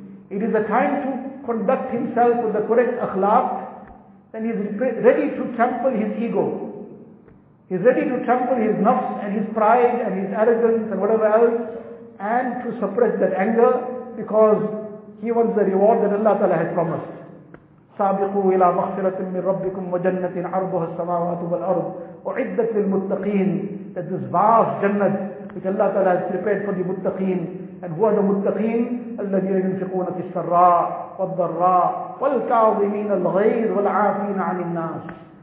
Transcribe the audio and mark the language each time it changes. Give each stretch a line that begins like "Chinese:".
English: It is the time to conduct himself with the correct akhlaq, then he is ready to trample his ego. He is ready to trample his nafs and his pride and his arrogance and whatever else, and to suppress that anger because he wants the reward that Allah Ta'ala has promised.
Arabic: سابقوا إلى مغفرة من ربكم وجنة عرضها السماوات والأرض أعدت للمتقين.
English: That this vast jannah which Allah Ta'ala has prepared for the muttaqeen. And who are the muttaqeen?
Arabic: الذين ينفقون في السراء والضراء والكاظمين الغيظ والعافين عن الناس.